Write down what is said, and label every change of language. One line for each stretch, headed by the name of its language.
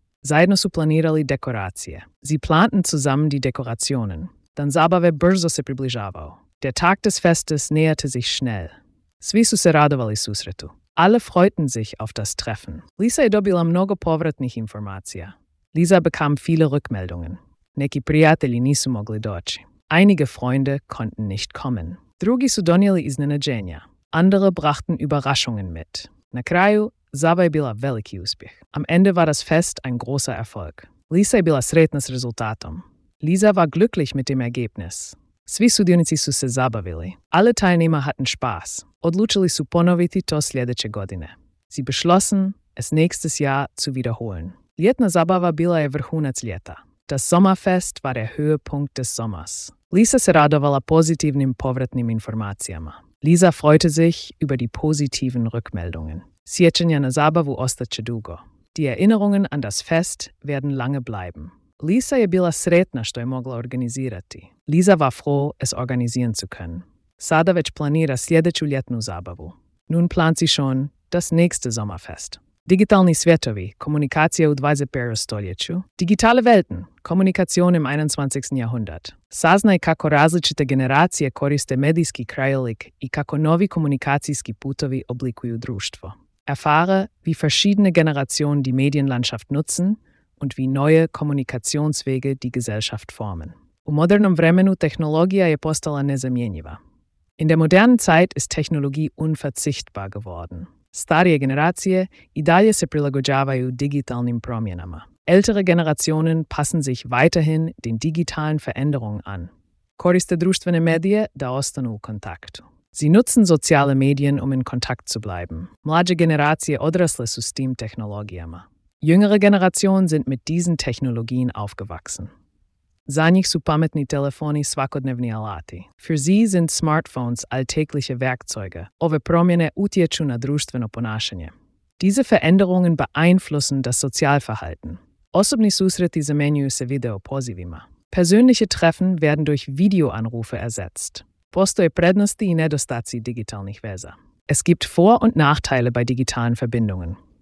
Croatian: Zajedno su planirali dekoracije.
German: Sie planten zusammen die Dekorationen.
Croatian: Dan zabave brzo se približavao.
German: Der Tag des Festes näherte sich schnell.
Croatian: Svi su se radovali susretu.
German: Alle freuten sich auf das Treffen.
Croatian: Lisa je dobila mnogo povratnih informacija.
German: Lisa bekam viele Rückmeldungen.
Croatian: Neki prijatelji nisu mogli doći.
German: Einige Freunde konnten nicht kommen.
Croatian: Drugi su donijeli iznenađenja.
German: Andere brachten Überraschungen mit.
Croatian: Na kraju, zabava je bila veliki uspjeh.
German: Am Ende war das Fest ein großer Erfolg.
Croatian: Lisa je bila sretna s rezultatom.
German: Lisa war glücklich mit dem Ergebnis.
Croatian: Svi sudionici su se zabavili.
German: Alle Teilnehmer hatten Spaß.
Croatian: Odlučili su ponoviti to sljedeće godine.
German: Sie beschlossen, es nächstes Jahr zu wiederholen.
Croatian: Ljetna zabava bila je vrhunac ljeta.
German: Das Sommerfest war der Höhepunkt des Sommers.
Croatian: Lisa se radovala pozitivnim povratnim informacijama.
German: Lisa freute sich über die positiven Rückmeldungen.
Croatian: Sjećanja na zabavu ostaće dugo.
German: Die Erinnerungen an das Fest werden lange bleiben.
Croatian: Lisa je bila sretna što je mogla organizirati.
German: Lisa war froh, es organisieren zu können.
Croatian: Sada već planira sljedeću ljetnu zabavu.
German: Nun plant sie schon das nächste Sommerfest.
Croatian: Digitalni svjetovi, komunikacija u 21. stoljeću.
German: Digitale Welten, Kommunikation im 21. Jahrhundert.
Croatian: Saznaj kako različite generacije koriste medijski krajolik i kako novi komunikacijski putovi oblikuju društvo.
German: Erfahre, wie verschiedene Generationen die Medienlandschaft nutzen und wie neue Kommunikationswege die Gesellschaft formen.
Croatian: U modernom vremenu tehnologija je postala nezamjenjiva.
German: In der modernen Zeit ist Technologie unverzichtbar geworden.
Croatian: Starije generacije i dalje se prilagođavaju digitalnim promjenama.
German: Ältere Generationen passen sich weiterhin den digitalen Veränderungen an.
Croatian: Koriste društvene medije da ostanu u kontaktu.
German: Sie nutzen soziale Medien, um in Kontakt zu bleiben.
Croatian: Mlađe generacije odrasle su s tim tehnologijama.
German: Jüngere Generationen sind mit diesen Technologien aufgewachsen.
Croatian: Za njih su pametni telefoni svakodnevni alati.
German: Für sie sind Smartphones alltägliche Werkzeuge.
Croatian: Ove promjene utječu na društveno ponašanje.
German: Diese Veränderungen beeinflussen das Sozialverhalten.
Croatian: Osobni susreti zamenjuju se videopozivima.
German: Persönliche Treffen werden durch Videoanrufe ersetzt.
Croatian: Postoje prednosti i nedostaci digitalnih veza.
German: Es gibt Vor- und Nachteile bei digitalen Verbindungen.